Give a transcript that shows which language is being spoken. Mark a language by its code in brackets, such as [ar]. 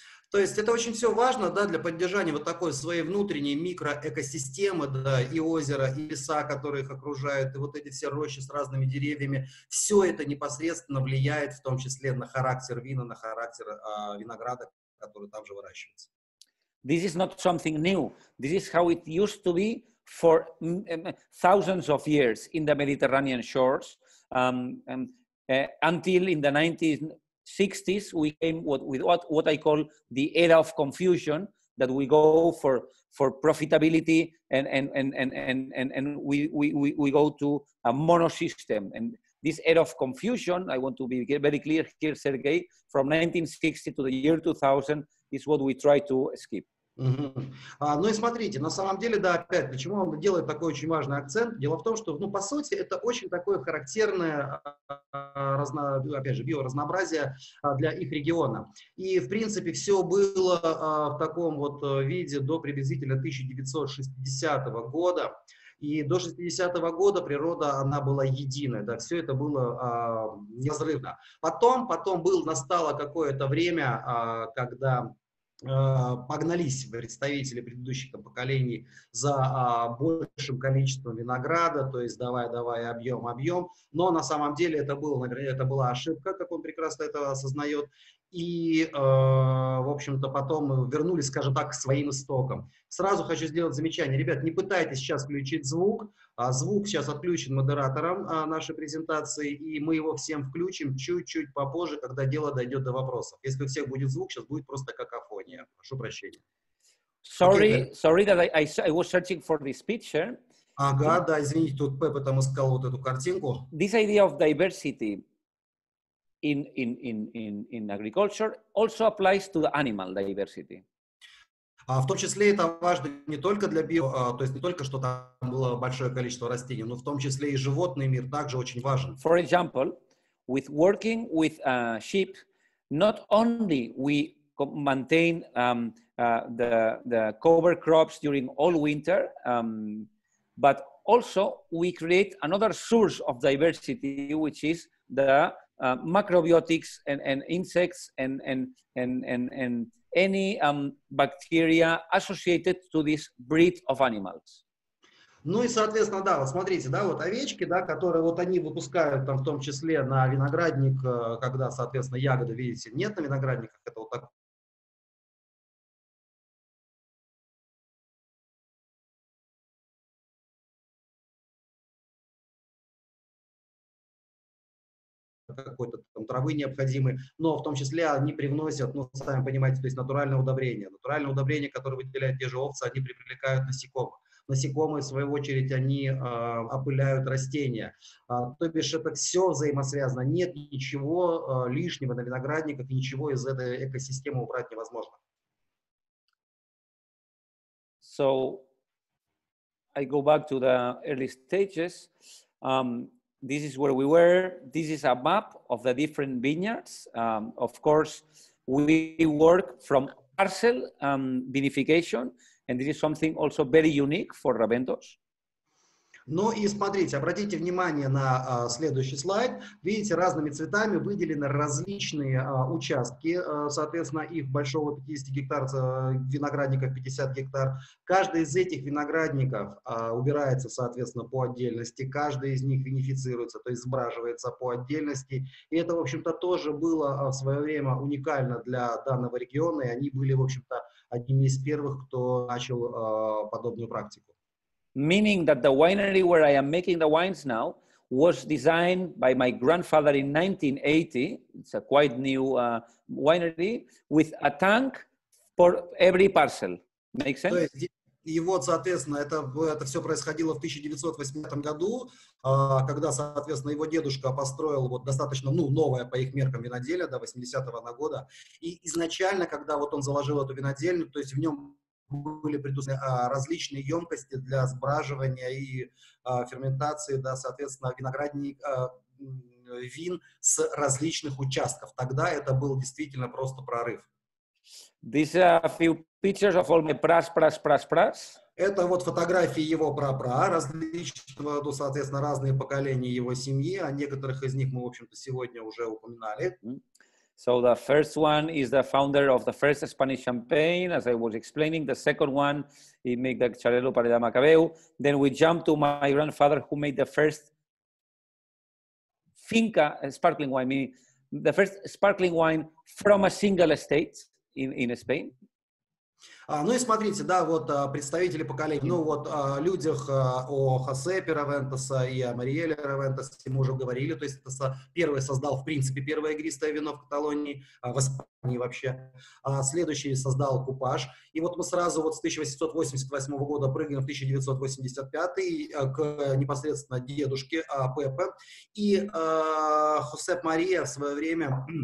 [ru] То есть это очень все важно, да, для поддержания вот такой своей внутренней микроэкосистемы, да, и озера, и леса, которые их окружают, и вот эти все рощи с разными деревьями. Все это непосредственно влияет, в том числе, на характер вина, на характер винограда, который там же выращивается. [en] This is not something new. This is how it used to be for thousands of years in the Mediterranean shores, until in the 1960s, we came with what I call the era of confusion, that we go for profitability and we go to a monosystem. And this era of confusion, I want to be very clear here, Sergey, from 1960 to the year 2000 is what we try to skip. Mm-hmm. [ru] Ну и смотрите, на самом деле, да, опять, почему он делает такой очень важный акцент? Дело в том, что, ну, по сути, это очень такое характерное, опять же, биоразнообразие для их региона. И, в принципе, все было в таком вот виде до приблизительно 1960 года. И до 60-го года природа, она была единая, да, все это было неразрывно. Потом настало какое-то время, когда погнались представители предыдущих поколений за большим количеством винограда, то есть давай объем, но на самом деле это было, наверное, это была ошибка, как он прекрасно это осознает, и в общем-то потом вернулись, скажем так, к своим истокам. Сразу хочу сделать замечание, ребят, не пытайтесь сейчас включить звук, звук сейчас отключен модератором нашей презентации, и мы его всем включим чуть-чуть попозже, когда дело дойдет до вопросов. Если у всех будет звук, сейчас будет просто какофония. Прошу прощения. [en] Sorry that I was searching for this picture. [ru] Ага, да, извините, тут Пеппа там искал вот эту картинку. [en] This idea of diversity in agriculture also applies to the animal diversity. [ru] В том числе это важно не только для био, то есть не только, что там было большое количество растений, но в том числе и животный мир также очень важен. [en] For example, with working with sheep, not only we maintain the cover crops during all winter, but also we create another source of diversity, which is the microbiotics and insects and any bacteria associated to this breed of animals. [ru] Ну и, соответственно, да, вот смотрите, да, вот овечки, да, которые вот они выпускают там в том числе на виноградник, когда, соответственно, ягоды, видите, нет на виноградниках, это вот так. Какой-то там травы необходимые, но в том числе они привносят, ну, сами понимаете, то есть натуральное удобрение. Натуральное удобрение, которое выделяют те же овцы, они привлекают насекомых. Насекомые, в свою очередь, они опыляют растения. То бишь это все взаимосвязано. Нет ничего лишнего на виноградниках, ничего из этой экосистемы убрать невозможно. [en] So, I go back to the early stages. This is where we were. This is a map of the different vineyards. Of course, we work from parcel vinification. And this is something also very unique for Raventos. [ru] Ну и смотрите, обратите внимание на следующий слайд. Видите, разными цветами выделены различные участки, соответственно, их большого 50 гектар, виноградников 50 гектар. Каждый из этих виноградников убирается, соответственно, по отдельности. Каждый из них винифицируется, то есть сбраживается по отдельности. И это, в общем-то, тоже было в свое время уникально для данного региона. И они были, в общем-то, одними из первых, кто начал подобную практику. [en] Meaning that the winery where I am making the wines now was designed by my grandfather in 1980. It's a quite new winery with a tank for every parcel. Make sense? [ru] И вот, соответственно, это все происходило в 1980 году, когда, соответственно, его дедушка построил вот достаточно, ну, новое по их меркам виноделие до 80-го года. И изначально, когда вот он заложил эту винодельню, то есть в нем были предусмотрены различные емкости для сбраживания и ферментации, да, соответственно, виноградник, вин с различных участков. Тогда это был действительно просто прорыв. [en] These are a few pictures of all my pras. [ru] Это вот фотографии его пра-пра, различного, ну, соответственно, разные поколения его семьи, о некоторых из них мы, в общем-то, сегодня уже упоминали. [en] So the first one is the founder of the first Spanish champagne, as I was explaining. The second one, he made the Charello Pareda Macabeu. Then we jump to my grandfather, who made the first finca sparkling wine, meaning the first sparkling wine from a single estate in Spain. [ru] Ну и смотрите, да, вот представители поколений, ну вот о людях, о Хосе Раventosа и о Мариэле Раventosе мы уже говорили, то есть это первый создал, в принципе, первое игристое вино в Каталонии, в Испании вообще, следующий создал купаж, и вот мы сразу вот с 1888 года прыгаем в 1985 к непосредственно дедушке Пепе, и Хосе Мария в свое время...